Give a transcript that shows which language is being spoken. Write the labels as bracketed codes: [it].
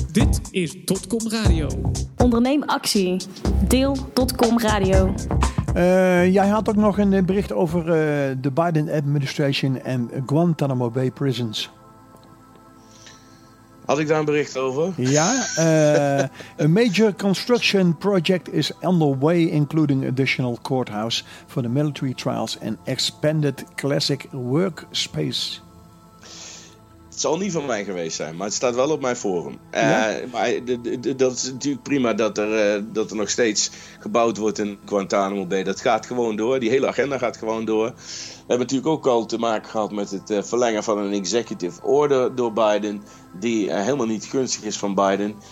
[nl] Dit is Dotcom Radio. Onderneem actie. Deel Dotcom Radio. Jij had ook nog een bericht over de Biden administration en Guantanamo Bay prisons. Had ik daar een bericht over? Ja. [en] A major construction project is underway, including additional courthouse for the military trials and expanded classic workspace. [nl] Het zal niet van mij geweest zijn, maar het staat wel op mijn forum. Ja. Maar dat is natuurlijk prima dat er nog steeds gebouwd wordt in Guantanamo Bay. Dat gaat gewoon door. Die hele agenda gaat gewoon door. We hebben natuurlijk ook al te maken gehad met het verlengen van een executive order door Biden, die helemaal niet gunstig is van Biden.